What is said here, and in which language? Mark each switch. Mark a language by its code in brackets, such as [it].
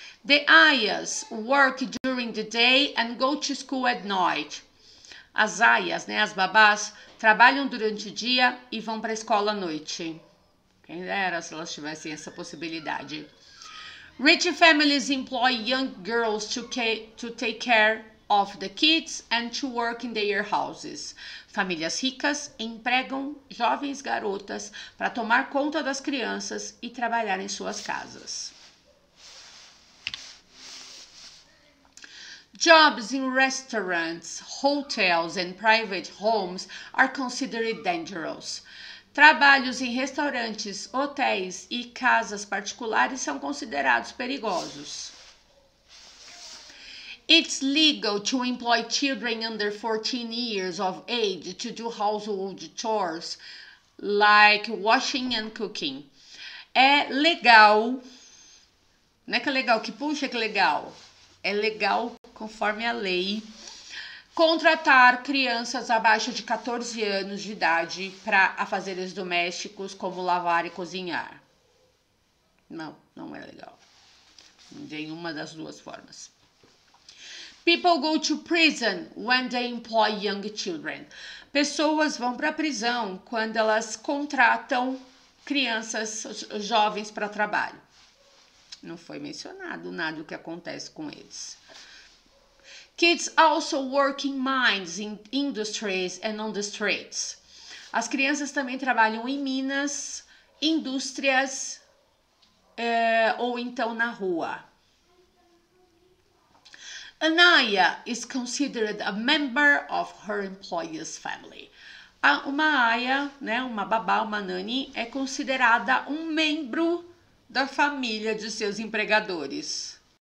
[en] The Ayas work during the day and go to school at night. [pt] As Ayas, né, as babás, trabalham durante o dia e vão para a escola à noite. Quem dera se elas tivessem essa possibilidade. [en] Rich families employ young girls to take care of the kids and to work in their houses. [pt] Famílias ricas empregam jovens garotas para tomar conta das crianças e trabalhar em suas casas. [en] Jobs in restaurants, hotels and private homes are considered dangerous. [pt] Trabalhos em restaurantes, hotéis e casas particulares são considerados perigosos. [en] It's legal to employ children under 14 years of age to do household chores like washing and cooking. [pt] É legal. Não é que é legal, que puxa, que legal. É legal, conforme a lei, contratar crianças abaixo de 14 anos de idade para afazeres domésticos, como lavar e cozinhar. Não é legal. Nenhuma das duas formas. [en] People go to prison when they employ young children. [pt] Pessoas vão para prisão quando elas contratam crianças, jovens para trabalho. Não foi mencionado nada do que acontece com eles. [en] Kids also work in mines, in industries and on the streets. [pt] As crianças também trabalham em minas, indústrias, ou então na rua. [en] Anaya is considered a member of her employer's family. [pt] Uma aia, né, uma babá, uma nani, é considerada um membro da família de seus empregadores.